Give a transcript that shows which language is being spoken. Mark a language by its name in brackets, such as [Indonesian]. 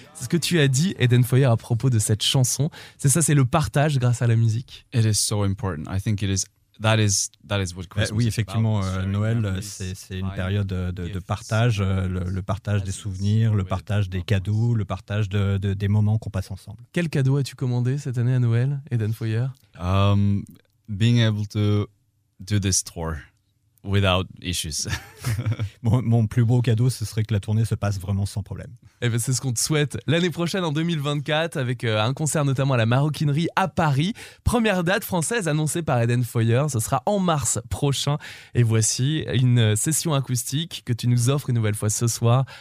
[French] C'est ce que tu as dit, Aden Foyer, à propos de cette chanson. C'est ça, c'est le partage grâce à la musique. [English] It is so important. I think it is. That is what Christmas. [French] Oui, effectivement, Noël, c'est une période de partage, le partage des souvenirs, le partage des cadeaux, le partage des moments qu'on passe ensemble. Quel cadeau as-tu commandé cette année à Noël, Aden Foyer? [English] Being able to do this tour without issues. [French] Mon plus beau cadeau, ce serait que la tournée se passe vraiment sans problème. Et ben c'est ce qu'on te souhaite l'année prochaine en 2024 avec un concert notamment à la Maroquinerie à Paris. Première date française annoncée par Aden Foyer, ce sera en mars prochain. Et voici une session acoustique que tu nous offres une nouvelle fois ce soir.